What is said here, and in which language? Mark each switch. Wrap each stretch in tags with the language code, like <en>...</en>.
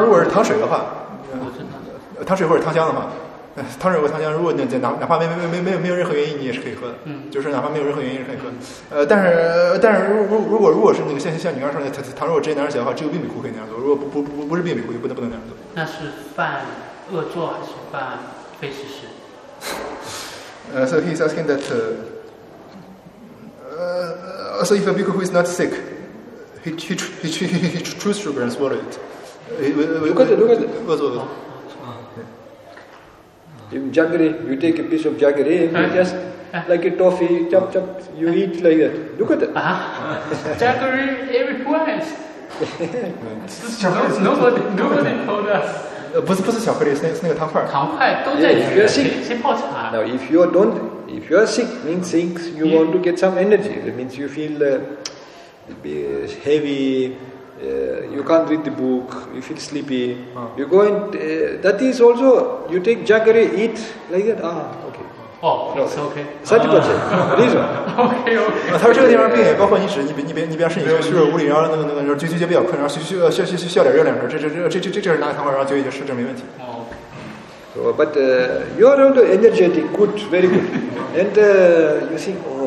<zh>如果是糖水的话糖水或者糖浆的话，糖水或糖浆，如果你哪怕没有任何原因，你也是可以喝的。就是哪怕没有任何原因是可以喝的。但是如果是那个像你刚刚说的，糖水直接拿上去的话，只有病比库可以那样做。如果不是病比库，就不能那样做。那是犯恶作还是犯非事实？</zh> <en>So he's asking that. So if a bhikkhu is not sick, he chews sugar and swallow it. Look at it. In jaggery, you take a piece of jaggery and you just like a toffee, chop chop, you eat like that. Look at that. Jaggery everywhere. nobody told us.</en> <zh>不是巧克力，是那个糖块。糖块都在里面。先泡茶。</zh> <en>Now, if you are sick, means things you want to get some energy. That means you feel heavy. You can't read the book, you feel sleepy, you go and, that is also, you take jaggery, eat, like that, okay. It's okay. Satipatthaya, reason. Okay.</en> <zh>他说这个地方病也包括你你比方说你去虚弱无力，然后那个就比较困，然后需要点热量，这是拿个汤块，然后就已经是这没问题。</zh> <en>So, but you are also energetic, good, very good. And you think,</en>